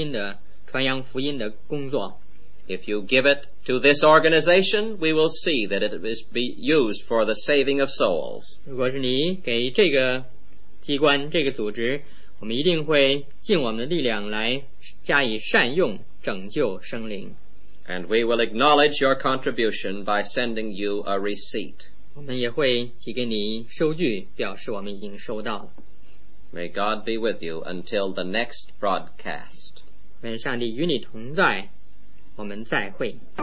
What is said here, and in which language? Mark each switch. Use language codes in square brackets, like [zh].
[zh] 也许你愿意用你的钱来捐助这个传播福音的传扬福音的工作。 [en] If you give it to this organization, we will see that it is be used for the saving of souls. [zh] 如果是你给这个机关,这个组织, 我们一定会尽我们的力量来加以善用,拯救生灵。 [en] And we will acknowledge your contribution by sending you a receipt. [zh] 我们也会寄给你收据,表示我们已经收到了。 [en] May God be with you until the next broadcast. [zh] 愿上帝与你同在。 我们再会。